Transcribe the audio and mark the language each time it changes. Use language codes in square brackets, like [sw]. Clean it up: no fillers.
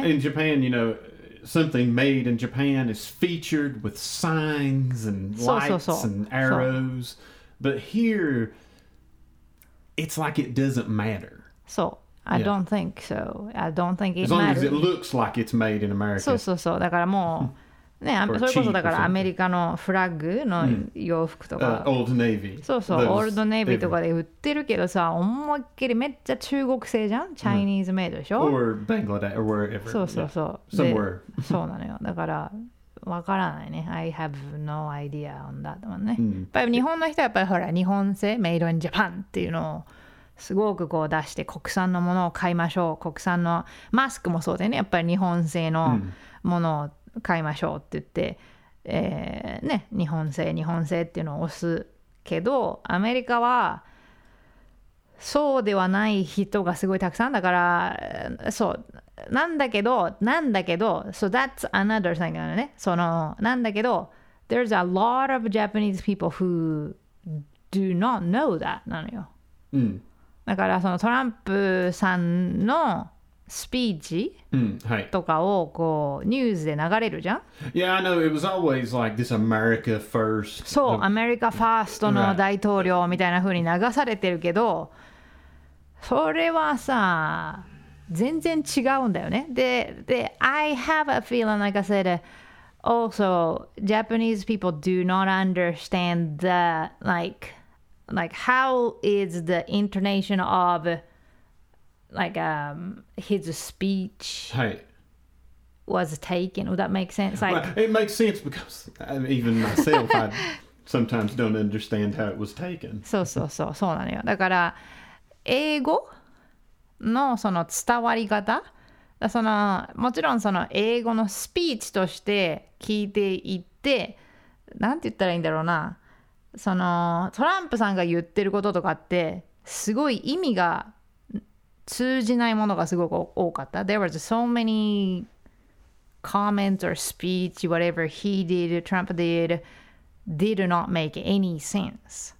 [en] In Japan, you know, something made in Japan is featured with signs and lights [ja] そうそうそう [en] and arrows. But here, it's like it doesn't matter. [ja] そう。 [en] I don't think so. I don't think it matters. As long as it looks like it's made in America. [ja] そうそうそう。だからもう、ね、それこそだからアメリカのフラッグの洋服とか、オールドネイビー、そうそう、オールドネイビーとかで売ってるけどさ、思いっきりめっちゃ中国製じゃん、チャイニーズメイドでしょ、 [en] or Bangladesh or wherever、 [ja] そうそうそう、 [en] somewhere、 [ja] そうなのよ。だからわからないね。 [en] I have no idea on that one ね。 [ja] うん、日本の人はやっぱりほら日本製 [en] Made in Japan [ja] っていうのをすごくこう出して国産のものを買いましょう。国産のマスクもそうだよね。やっぱり日本製のものを買いましょうって言って、うん、ね、日本製日本製っていうのを押すけど、アメリカはそうではない人がすごいたくさんだから、そうなんだけど、なんだけど、 [en] so that's another thing [ja] だね。そのなんだけど、 [en] there's a lot of Japanese people who do not know that [ja] なのよ。うん。だからそのトランプさんのスピーチ、うん、はい、とかをこうニュースで流れるじゃん。 [en] Yeah, I know. It was always like this America first. [ja] そう、アメリカファーストの大統領みたいな風に流されてるけど、それはさ、全然違うんだよね。 [en] で、I have a feeling, like I said, also, Japanese people do not understand the, like how is the intonation of... Like, his speech、 [ja] はい、 [en] was taken. Would that make sense? Like, well, it makes sense because even myself, I sometimes don't understand how it was taken. [ja] そうそうそう、そうなのよ。だから、英語のその伝わり方、その、もちろんその英語のスピーチとして聞いていって、なんて言ったらいいんだろうな、その、トランプさんが言ってることとかって、すごい意味が、通じないものがすごく多かった。 [en] There was so many comments or speech, whatever he did, Trump did, did not make any sense、